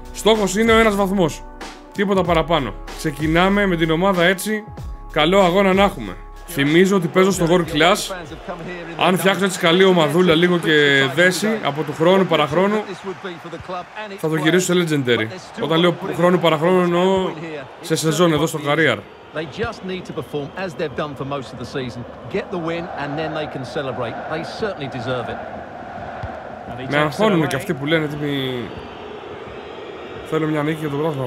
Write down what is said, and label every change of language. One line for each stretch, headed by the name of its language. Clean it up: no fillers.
Greek: Στόχος είναι ο ένας βαθμός. Τίποτα παραπάνω. Ξεκινάμε με την ομάδα έτσι. Καλό αγώνα να έχουμε. Θυμίζω ότι παίζω στο World Class. Αν φτιάξω έτσι καλή ομαδούλα λίγο και δέσει από του χρόνου παραχρόνου, θα το γυρίσω σε Legendary. Όταν λέω χρόνου παραχρόνου, εννοώ σε σεζόν εδώ στο Career.
English: They just need to perform as they've done for most of the season. Get the win and then they can celebrate. They certainly deserve it.
Greek: Με αγχώνουν και αυτοί που λένε ότι θέλω μια νίκη για τον πρόγραμμα.